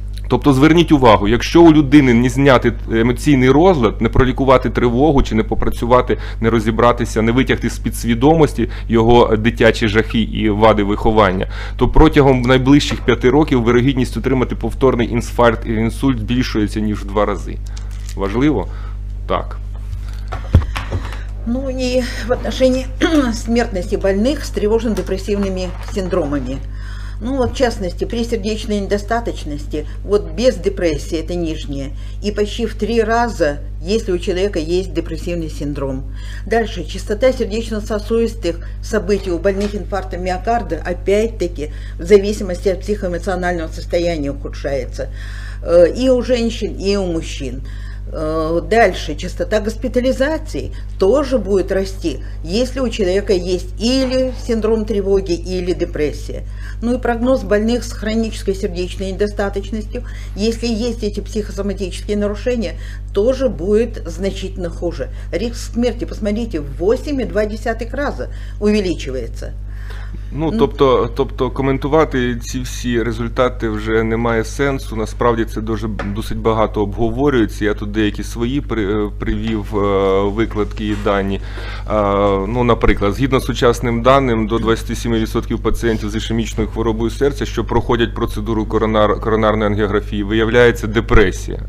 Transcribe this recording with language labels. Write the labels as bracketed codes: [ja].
[uk] Тобто зверніть увагу, якщо у людини не зняти емоційний розлад, не пролікувати тривогу, чи не попрацювати, не розібратися, не витягти з-під свідомості його дитячі жахи і вади виховання, то протягом найближчих 5 років вірогідність отримати повторний інфаркт і інсульт збільшується ніж в 2 рази. Важливо? Так. [ru] Ну і в отношении смертності больних з тривожно-депресивними синдромами. Ну вот в частности, при сердечной недостаточности, вот без депрессии, это нижнее, и почти в 3 раза, если у человека есть депрессивный синдром. Дальше, частота сердечно-сосудистых событий у больных инфарктом миокарда, опять-таки, в зависимости от психоэмоционального состояния ухудшается. И у женщин, и у мужчин. Дальше, частота госпитализации тоже будет расти, если у человека есть или синдром тревоги, или депрессия. Ну и прогноз больных с хронической сердечной недостаточностью, если есть эти психосоматические нарушения, тоже будет значительно хуже. Риск смерти, посмотрите, в 8,2 раза увеличивается. [uk] Ну, тобто коментувати ці всі результати вже немає сенсу. Насправді це дуже досить багато обговорюється. Я тут деякі свої привів викладки і дані. Ну, наприклад, згідно з сучасним даним, до 27% пацієнтів з ішемічною хворобою серця, що проходять процедуру коронарної ангіографії, виявляється депресія.